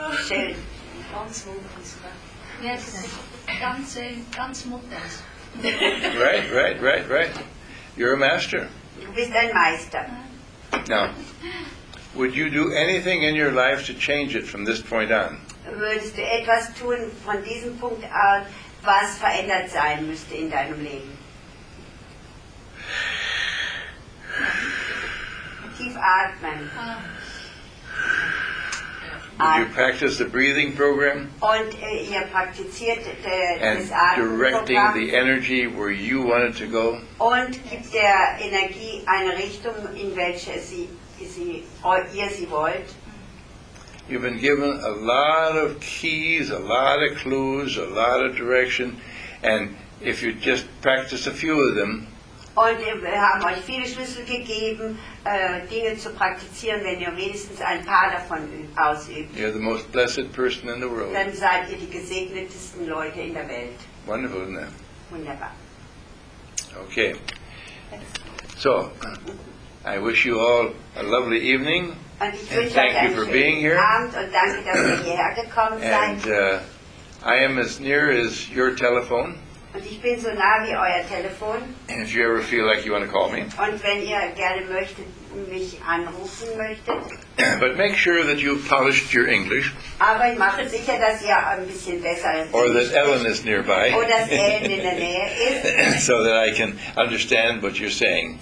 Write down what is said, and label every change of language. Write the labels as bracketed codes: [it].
[de] Schön. Ganz wunderbar. Ganz, ganz modern. [en] Right. You're a master. [de] Du bist ein Meister. [en] Now, would you do anything in your life to change it from this point on? [de] Würdest du etwas tun von diesem Punkt an, was verändert sein müsste in deinem Leben? Tief atmen. [en] Would you practice the breathing program? [de] Und ihr praktiziert das Atemprogramm. [en] Directing the energy where you want it to go. [de] Und gibt der Energie eine Richtung, in welche ihr sie wollt. [en] You've been given a lot of keys, a lot of clues, a lot of direction, and if you just practice a few of them. [de] Und wir haben euch viele Schlüssel gegeben, Dinge zu praktizieren, wenn ihr wenigstens ein paar davon ausübt. [en] You're the most blessed person in the world. [de] Dann seid ihr die gesegnetesten Leute in der Welt. [en] Wonderful, isn't it? [de] Wunderbar. [en] Okay. So, I wish you all a lovely evening. And thank you for being here. [de] Und danke, dass ihr hierher gekommen seid. [en] And I am as near as your telephone. [de] Und ich bin so nah wie euer Telefon. [en] And if you ever feel like you want to call me. [de] Und wenn ihr gerne möchtet, mich anrufen möchtet. [en] But make sure that you've polished your English. [de] Aber ich mache sicher, dass ihr ein bisschen besser. [en] Or that Ellen is nearby. [de] Oder dass Ellen in der Nähe ist. [en] So that I can understand what you're saying.